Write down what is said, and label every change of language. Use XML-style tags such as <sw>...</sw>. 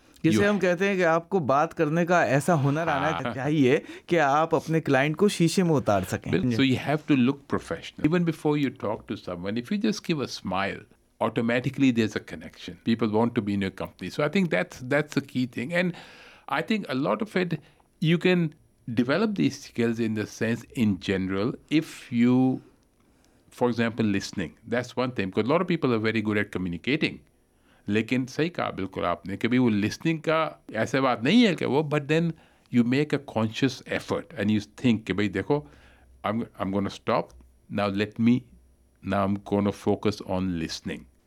<ur>جسے ہم کہتے ہیں کہ آپ کو بات کرنے کا ایسا ہنر آنا چاہیے کہ آپ اپنے کلائنٹ کو شیشے میں اتار سکیں.</ur> <en>So you have to look professional even before you talk to someone. If you just give a smile, automatically there is a connection. People want to be in your company. So I think that's a key thing. And I think a lot of it you can develop these skills in the sense in general if you for example listening, that's one thing. Because lot of people are very good at communicating,</en> <ur>لیکن صحیح کہا بالکل آپ نے کبھی وہ listening کا ایسا بات نہیں ہے کہ وہ,</ur> <en>but then you make a conscious effort and you think</en> <ur>کہ بھائی دیکھو</ur> <en>I gonna stop now, let me now gonna focus on listening.</en>